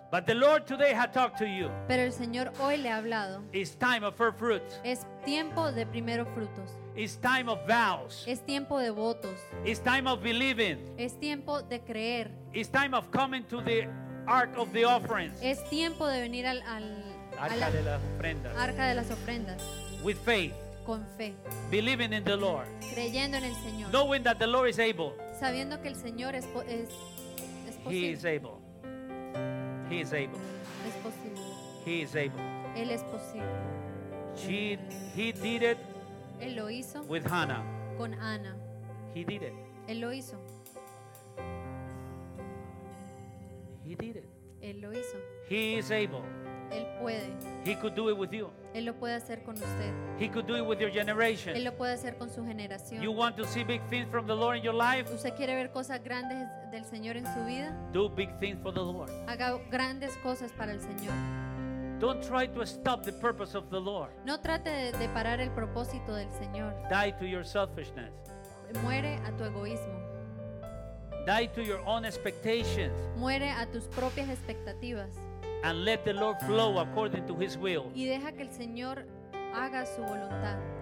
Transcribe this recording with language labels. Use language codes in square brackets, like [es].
[en] But the Lord today has talked to you. [es] Pero el Señor hoy le ha hablado. [en] It's time of first fruits. [es] Es tiempo de primeros frutos. [en] It's time of vows. [es] Es tiempo de votos. [en] It's time of believing. [es] Es tiempo de creer. [en] It's time of coming to the ark of the offerings. [es] Es tiempo de venir arca de las ofrendas. [en] With faith. [es] Con fe. [en] Believing in the Lord. [es] Creyendo en el Señor. [en] Knowing that the Lord is able. [es] Sabiendo que el Señor es posible. [en] He is able. He is able. [es] Es posible. [en] He is able. [es] Él es posible. [en] He did it. [es] Él lo hizo. [en] With Hannah. [es] Con Ana. [en] He did it. [es] Él lo hizo. [en] He did it. [es] Él lo hizo. [en] He is able. [es] Él puede. [en] He could do it with you. [es] Él lo puede hacer con usted. [en] He could do it with your generation. [es] Él lo puede hacer con su generación. [en] You want to see big things from the Lord in your life? [es] ¿Usted quiere ver cosas grandes del Señor en su vida? [en] Do big things for the Lord. [es] Haga grandes cosas para el Señor. [en] Don't try to stop the purpose of the Lord. [es] No trate de parar el propósito del Señor. [en] Die to your selfishness. [es] Muere a tu egoísmo. [en] Die to your own expectations. [es] Muere a tus propias expectativas. [en] And let the Lord flow according to His will. [es] Y deja que el Señor haga su voluntad.